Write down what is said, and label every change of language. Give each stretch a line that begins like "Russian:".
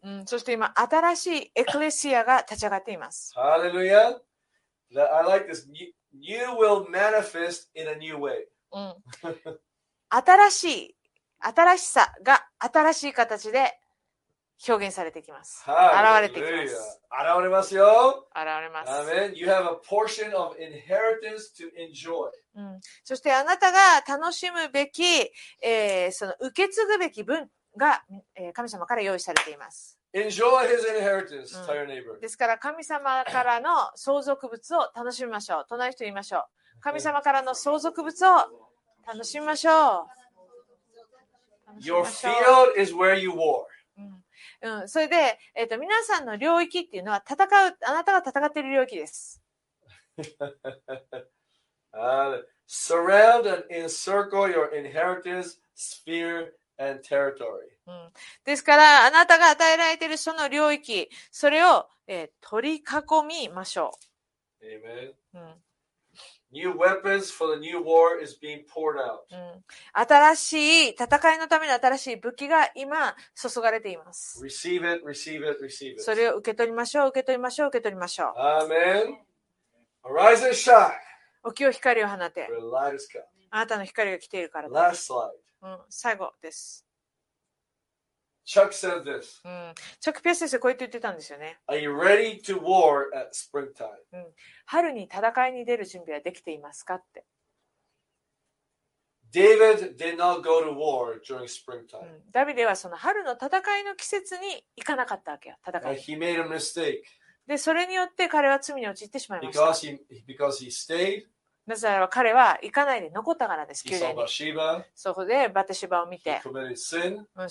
Japanese: うん、そして今新しいエクレシアが立ち上がっています。
English: Hallelujah! I like this. New will manifest in a new way.
Japanese: 新しさが新しい形で表現されてきます。現れてきます。現れますよ。現れます。
English: Amen. You have a portion of inheritance to enjoy.
Japanese: うん。そしてあなたが楽しむべき、その受け継ぐべき分が、神様から用意されています。
English: Enjoy his inheritance, tell your neighbor.
Japanese: ですから神様からの相続物を楽しみましょう。隣人言いましょう。神様からの相続物を楽しみましょう。
English: Your field is where you war.
Japanese: うん、それで、皆さんの領域っていうのは戦う、あなたが戦っている領域です。
English: surround and encircle your inheritance, sphere, and territory.
Japanese: うん、ですから、あなたが与えられているその領域、それを、取り囲みましょう。
English: Amen.、
Japanese: うん、
English: new weapons for the new war is being poured out.
Japanese: うん、新しい戦いのための新しい武器が今注がれています。
English: Receive it, receive it, receive it.
Japanese: それを受け取りましょう、受け取りましょう、受け取りましょう。
English: Amen. Arise and shine.
Japanese: 起きよ、光を放て。あなたの光が来ているからです。
English: Last slide.
Japanese: うん、最後です。
English: Chuck said this.
Japanese: うん、チャック・ピアス先生こう言ってたんですよね。
English: Are you ready to war at springtime?
Japanese: うん、春に戦いに出る準備はできていますかって。
English: David did not go to war during springtime.
Japanese: うん、ダビデはその春の戦いの季節に行かなかったわけよ。戦い。
English: He made a mistake.
Japanese: で、それによって彼は罪に陥ってしまいました。
English: Because he stayed.
Japanese: なぜならば彼は行かないで残ったからです。宮殿に。そこでバテシバを見て、うん、